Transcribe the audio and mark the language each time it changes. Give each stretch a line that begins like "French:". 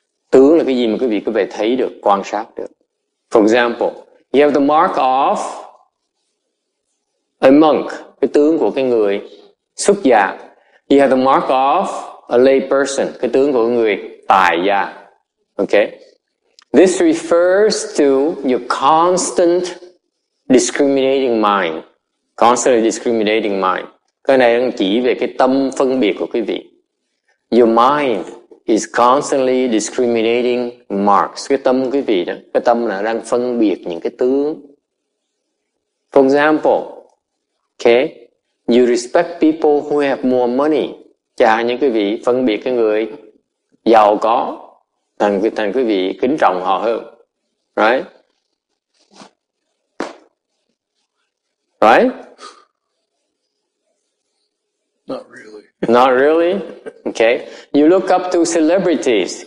Vietnamese: Tướng là cái gì mà quý vị có thể thấy được, quan sát được.
English: For example, you have the mark of a monk,
Vietnamese: cái tướng của cái người xuất gia.
English: You have the mark of a lay person,
Vietnamese: cái tướng của người tại gia.
English: Okay? This refers to your constant discriminating mind. Constantly discriminating mind.
Vietnamese: Cái này đang chỉ về cái tâm phân biệt của quý vị.
English: Your mind is constantly discriminating marks.
Vietnamese: Cái tâm quý vị đó, cái tâm là đang phân biệt những cái tướng.
English: For example, okay, you respect people who have more money.
Vietnamese: Chà, những quý vị phân biệt cái người giàu có thành quý vị kính trọng họ hơn.
English: Right? Right? Not really. Not really? Okay. You look up to celebrities.